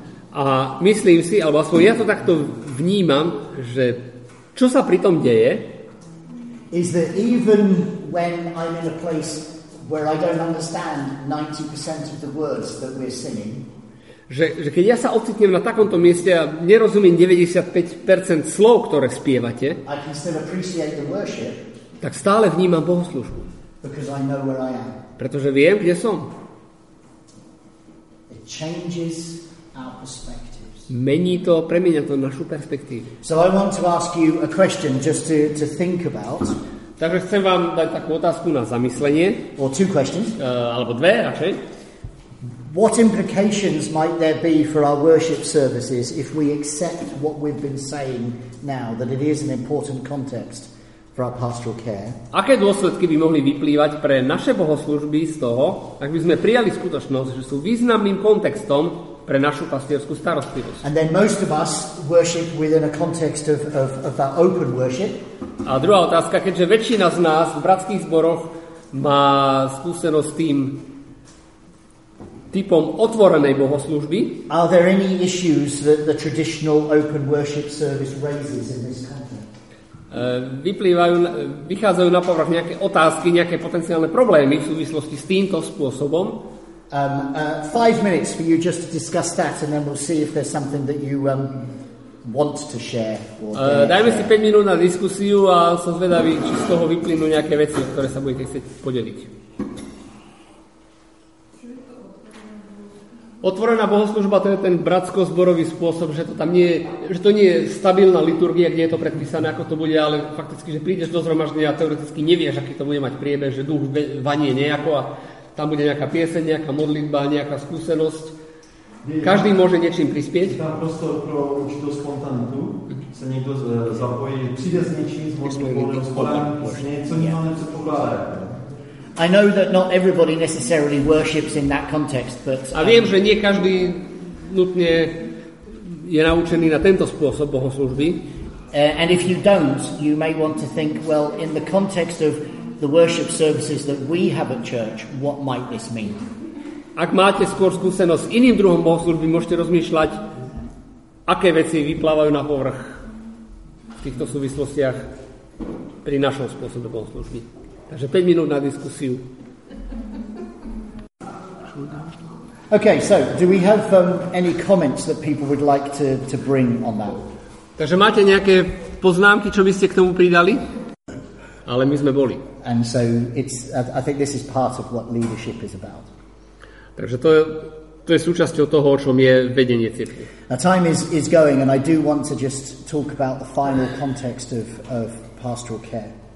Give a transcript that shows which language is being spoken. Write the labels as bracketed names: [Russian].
[Slovak] A myslím si, alebo aspoň ja to takto vnímam, že čo sa pri tom deje? [English] Is that even when I'm in a place where I don't understand 90% of the words that we're singing. [Slovak] Že keď ja sa ocitnem na takomto mieste a nerozumiem 95% slov, ktoré spievate, [English] I can still appreciate the worship. [Slovak] Tak stále vnímam bohoslužbu. [English] Because I know where I am. [Slovak] Pretože viem, kde som. [English] It changes our perspective. [Slovak] Mení to, premenia to našu perspektívu. [English] So I want to ask you a question just to think about. [Slovak] Takže chcem vám dať takú otázku na zamyslenie. [English] Or two questions. [Slovak] Alebo dve, radšej. [English] What implications might there be for our worship services if we accept what we've been saying now, that it is an important context for our pastoral care? [Slovak] Aké dôsledky by mohli vyplývať pre naše bohoslužby z toho, ak by sme prijali skutočnosť, že sú významným kontextom pre našu pastierskú starostlivosť. [English] And then most of us worship within a context of that open worship. [Slovak] A druhá otázka, keďže väčšina z nás v bratských zboroch má skúsenosť s tým typom otvorenej bohoslužby. [English] Are there any issues that the traditional open worship service raises in this context? [Slovak] Vychádzajú na povrch nejaké otázky, nejaké potenciálne problémy v súvislosti s týmto spôsobom. [English] 5 minutes for you just to discuss that and then we'll see if there's something that you want to share. [Slovak] Dajme si 5 minút na diskusiu a som zvedavý, či z toho vyplynú nejaké veci, o ktoré sa budete chcieť podeliť. Otvorená bohoslužba, to je ten bratsko-zborový spôsob, že to tam nie je, že to nie je stabilná liturgia, kde je to predpísané, ako to bude, ale fakticky, že prídeš do zhromaždenia a teoreticky nevieš, aký to bude mať priebeh, že duch vanie nejako a tam bude nejaká pieseň, nejaká modlitba, nejaká skúsenosť. Každý môže niečím prispieť. Je tam prostor pro určitú spontanitu, sa niekto zapojí, príde s niečím, s modlitbou, s niečo pokládať. [English] I know that not everybody necessarily worships in that context, but [Slovak] a viem, že nie každý nutne je naučený na tento spôsob bohoslužby. [English] And if you don't, you may want to think, well, in the context of the worship services that we have at church, what might this mean? [Slovak] Ak máte skôr skúsenosť s iným druhom bohoslužby, môžete rozmýšľať, aké veci vyplávajú na povrch v týchto súvislostiach pri našom spôsobe bohoslužby. Takže 5 minút na diskusiu. [English] Okay, so do we have any comments that people would like to bring on that? [Slovak] Takže máte nejaké poznámky, čo by ste k tomu pridali? Ale my sme boli. [English] And so it's I think this is part of what leadership is about. [Slovak] Takže to je súčasťou toho, o čom je vedenie cirkvi. [English] Now time is going and I do want to just talk about the final context of pastoral care.